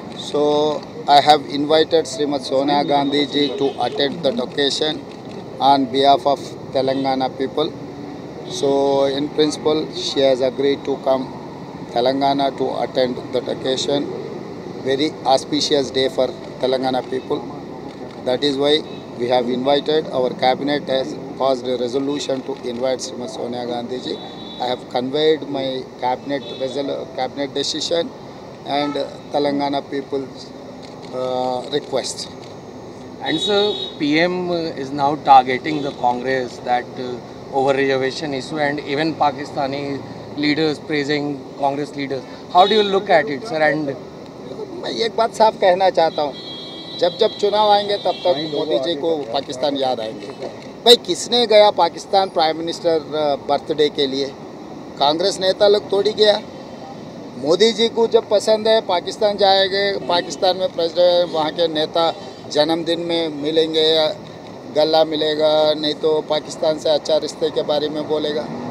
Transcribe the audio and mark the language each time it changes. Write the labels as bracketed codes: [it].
[en] So I have invited Shrimati Sonia Gandhi ji to attend the occasion on behalf of Telangana people. So in principle she has agreed to come Telangana to attend the occasion. Very auspicious day for Telangana people. That is why we have invited, our cabinet has passed a resolution to invite Srimati Sonia Gandhiji. I have conveyed my cabinet decision and Telangana people's request. And sir, PM is now targeting the Congress that over reservation issue, and even Pakistani leaders praising Congress leaders. How do you look at it, sir? And [hi] main ek baat saaf kehna chahta hu, जब जब चुनाव आएंगे तब तक मोदी जी को पाकिस्तान याद आएंगे. भाई किसने गया पाकिस्तान प्राइम मिनिस्टर बर्थडे के लिए? कांग्रेस नेता लोग थोड़ी गया. मोदी जी को जब पसंद है पाकिस्तान जाएंगे, पाकिस्तान में प्रेसिडेंट वहाँ के नेता जन्मदिन में मिलेंगे, गल्ला मिलेगा, नहीं तो पाकिस्तान से अच्छा रिश्ते के बारे में बोलेगा.